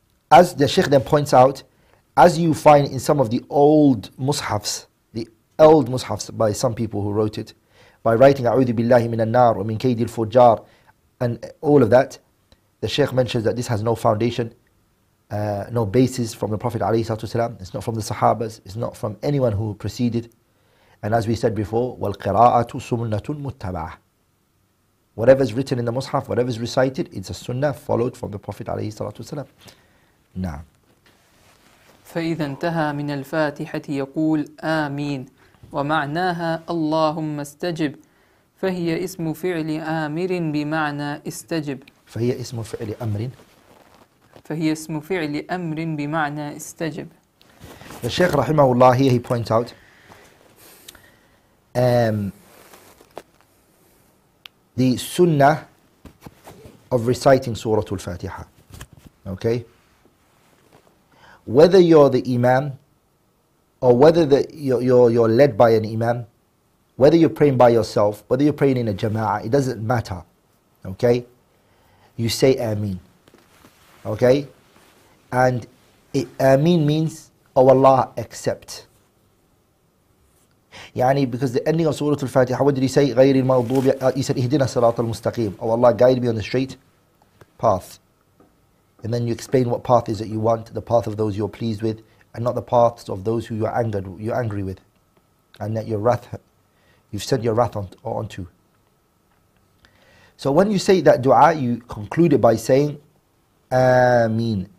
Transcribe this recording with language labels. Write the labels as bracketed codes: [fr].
[en] As the Sheikh then points out, as you find in some of the old mushafs, the old mushafs by some people who wrote it, by writing [ar] A'udhu billahi minan nar wa min kaydil fujar [en] and all of that, the Shaykh mentions that this has no foundation, no basis from the Prophet alayhi salatu wasalam. It's not from the Sahabas, it's not from anyone who preceded. And as we said before, [ar] wal qira'atu sunnatun muttaba'ah. [en] Whatever is written in the mushaf, whatever is recited, it's a sunnah followed from the Prophet alayhi salatu wasalam. [ar] Na'am. فإذا انتهى من الفاتحة يقول آمين، ومعناها اللهم استجب فهي اسم فعل آمر بمعنى استجب فهي اسم فعل أمر فهي اسم فعل أمر بمعنى استجب الشيخ رحمه الله [en] here he points out the sunnah of reciting Surah Al-Fatiha. Okay? Whether you're the imam or whether you're led by an imam, whether you're praying by yourself, whether you're praying in a jama'ah, it doesn't matter. Okay? You say Ameen. Okay? And Ameen means, oh Allah, accept. Yani, because the ending of Surah Al-Fatiha, what did he say? [ar] غير المغضوب, [en] he said, [ar] اهدنا صراط المستقيم. [en] Oh Allah, guide me on the straight path. And then you explain what path is that you want, the path of those you're pleased with, and not the paths of those who you're angered, you're angry with, and that your wrath, you've sent your wrath onto. So when you say that dua, you conclude it by saying, Ameen.